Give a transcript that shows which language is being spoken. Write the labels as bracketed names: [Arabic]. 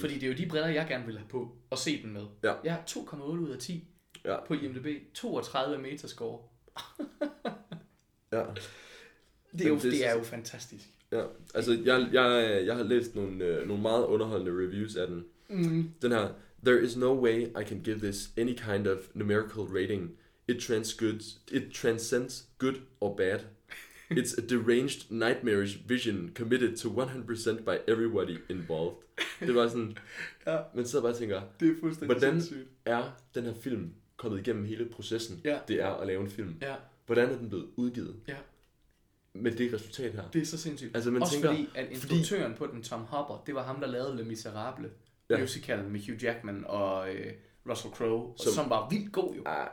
[Danish] Fordi det er jo de briller, jeg gerne ville have på og se den med. Ja. Jeg har 2,8 ud af 10 på IMDb. 32 meterscore. Ja. Det er jo fantastisk. Ja, altså jeg har læst nogle meget underholdende reviews af den. Mm. Den her, [English] there is no way I can give this any kind of numerical rating. It transcends good or bad. It's a deranged, nightmarish vision committed to 100% by everybody involved. [Danish] Det var sådan, ja. Man sidder bare og tænker, det er fuldstændig hvordan sindssygt. Er den her film kommet igennem hele processen, ja. Det er at lave en film? Ja. Hvordan er den blevet udgivet? Ja. Med det resultat her. Det er så sindssygt. Altså, man også tænker, fordi, at instruktøren på den, Tom Hopper, det var ham, der lavede Le Miserable musicalen med Hugh Jackman og Russell Crowe, som var vildt god jo.